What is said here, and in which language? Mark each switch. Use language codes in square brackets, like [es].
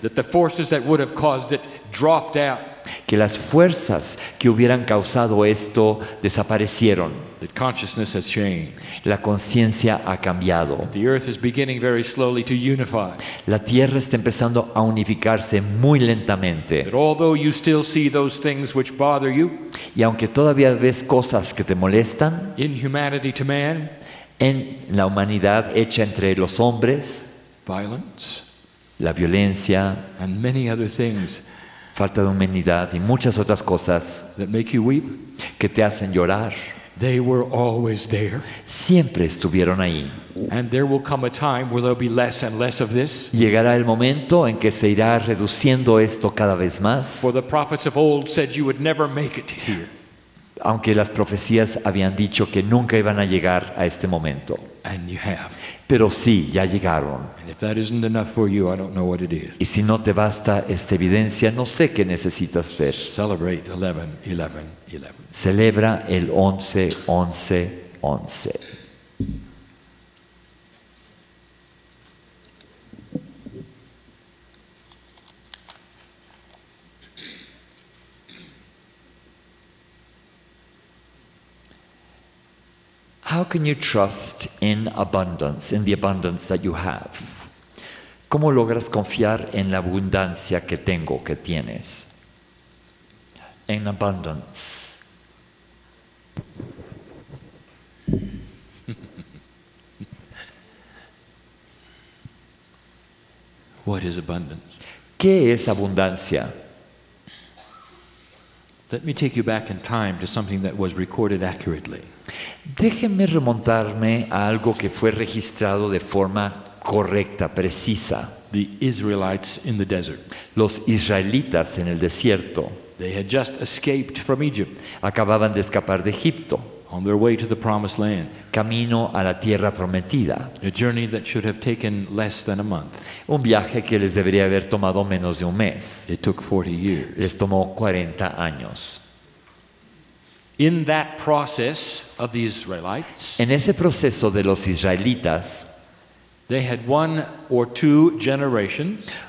[en] That the forces that would have caused it dropped out. [es] Que las fuerzas que hubieran causado esto desaparecieron. [en] That consciousness has changed. [es] La conciencia ha cambiado. [en] The earth is beginning very slowly to unify. [es] La tierra está empezando a unificarse muy lentamente. [en] That although you still see those things which bother you, [es] y aunque todavía ves cosas que te molestan, [en] in humanity to man, [es] en la humanidad hecha entre los hombres, [en] violence, [es] la violencia, [en] and many other things, [es] falta de humanidad y muchas otras cosas que te hacen llorar, [en] they were always there. [es] Siempre estuvieron ahí. [en] And there will come a time where there'll be less and less of this. [es] Llegará el momento en que se irá reduciendo esto cada vez más. [en] For the prophets of old said you would never make it here. [es] Aunque las profecías habían dicho que nunca iban a llegar a este momento. [en] And you have. [es] Pero sí, ya llegaron. [en] And if that isn't enough for you, I don't know what it is. [es] Y si no te basta esta evidencia, no sé qué necesitas ver. [en] Celebrate 11, 11, 11. [es] Celebra el 11, 11, 11. [en] How can you trust in abundance, in the abundance that you have? [es] ¿Cómo logras confiar en la abundancia que tengo, que tienes? [en] In abundance. What is abundance? [es] ¿Qué es abundancia? [en] Let me take you back in time to something that was recorded accurately. [es] Déjenme remontarme a algo que fue registrado de forma correcta, precisa. [en] The Israelites in the desert. [es] Los israelitas en el desierto. [en] They had just escaped from Egypt. [es] Acababan de escapar de Egipto. [en] On their way to the promised land. [es] Camino a la tierra prometida. [en] A journey that should have taken less than a month. [es] Un viaje que les debería haber tomado menos de un mes. [en] It took 40 years. [es] Les tomó 40 años. [en] In that process of the Israelites, [es] en ese proceso de los israelitas, [en] they had one or two generations,